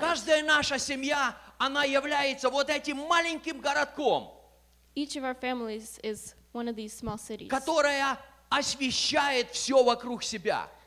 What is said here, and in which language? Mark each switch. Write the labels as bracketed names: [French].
[Russian] Каждая наша семья, она является вот этим маленьким городком. [English] Each of our families is one of these small cities. [Russian] Которая освещает все вокруг себя.